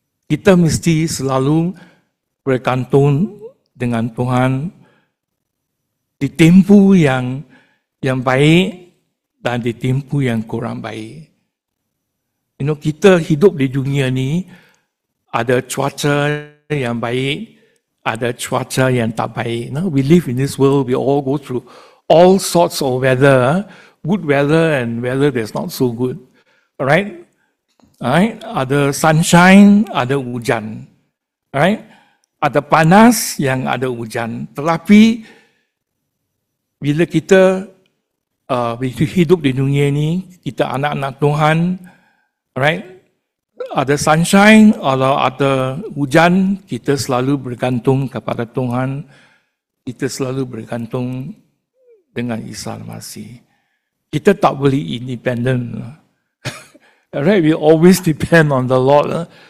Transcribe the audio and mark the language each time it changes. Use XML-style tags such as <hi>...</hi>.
<ms>Kita mesti selalu bergantung dengan Tuhan di tempo yang baik dan di tempo yang kurang baik. You know, kita hidup di dunia ni ada cuaca yang baik, ada cuaca yang tak baik.</ms> <en>Now we live in this world, we all go through all sorts of weather, good weather and weather that's not so good.</en> <ms>Alright? Alright? Ada sunshine, ada hujan. Alright? Ada panas yang ada hujan. Tetapi bila kita hidup di dunia ini, kita anak-anak Tuhan, right? Ada sunshine atau ada hujan, kita selalu bergantung kepada Tuhan. Kita selalu bergantung dengan Isa Masih. Kita tak boleh independent.</ms> <en>Right? We always depend on the Lord.</en>